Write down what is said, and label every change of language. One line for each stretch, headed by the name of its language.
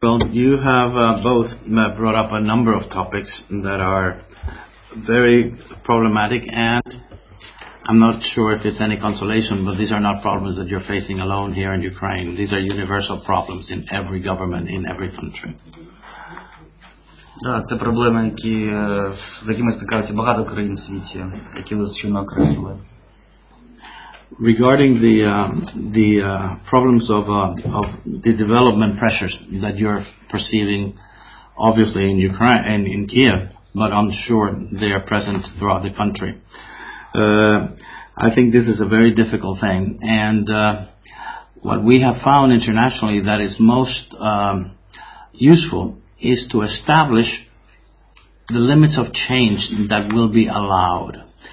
English: Well, you have both brought up a number of topics that are very problematic, and I'm not sure if it's any consolation, but these are not problems that you're facing alone here in Ukraine. These are universal problems in every government, in every country.
Ukrainian: Так, це проблеми, які з якими стикаються багато країн в світі, які ви щойно окреслили.
English: Regarding the problems of the development pressures that you're perceiving, obviously in Ukraine and in Kyiv, but I'm sure they are present throughout the country. I think this is a very difficult thing, and what we have found internationally that is most useful is to establish the limits of change that will be allowed.